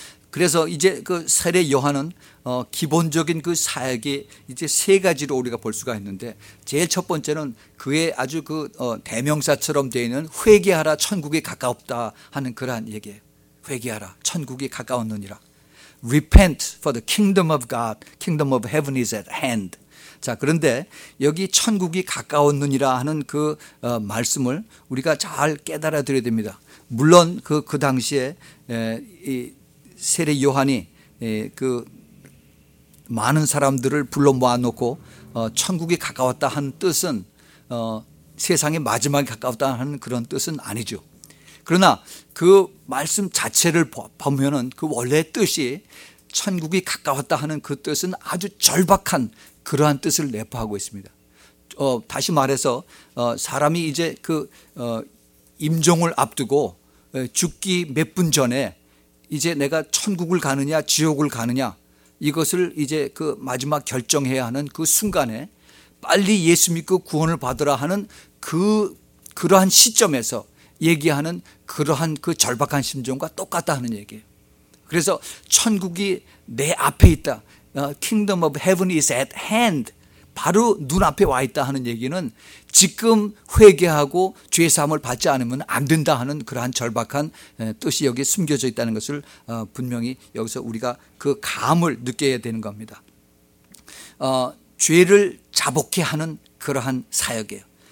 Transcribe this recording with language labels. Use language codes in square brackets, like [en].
[ko] 그래서 이제 그 세례 요한은 기본적인 그 사역이 이제 세 가지로 우리가 볼 수가 있는데, 제일 첫 번째는 그의 아주 그 대명사처럼 되어 있는 회개하라 천국이 가까웠다 하는 그러한 얘기예요. 회개하라 천국이 가까웠느니라. [en] Repent for the kingdom of God, kingdom of heaven is at hand. [ko] 자, 그런데 여기 천국이 가까웠느니라 하는 그 말씀을 우리가 잘 깨달아 드려야 됩니다. 물론 그 당시에 이 세례 요한이 그 많은 사람들을 불러 모아놓고 천국이 가까웠다 한 뜻은 세상의 마지막이 가까웠다 하는 그런 뜻은 아니죠. 그러나 그 말씀 자체를 보면은 그 원래의 뜻이 천국이 가까웠다 하는 그 뜻은 아주 절박한 그러한 뜻을 내포하고 있습니다. 다시 말해서 사람이 이제 그 임종을 앞두고 죽기 몇 분 전에 이제 내가 천국을 가느냐 지옥을 가느냐 이것을 이제 그 마지막 결정해야 하는 그 순간에 빨리 예수 믿고 구원을 받으라 하는 그러한 시점에서 얘기하는 그러한 그 절박한 심정과 똑같다 하는 얘기예요. 그래서 천국이 내 앞에 있다. [en] Kingdom of heaven is at hand. [ko] 바로 눈앞에 와 있다 하는 얘기는 지금 회개하고 죄사함을 받지 않으면 안 된다 하는 그러한 절박한 뜻이 여기에 숨겨져 있다는 것을 분명히 여기서 우리가 그 감을 느껴야 되는 겁니다. 죄를 자복해 하는 그러한 사역이에요.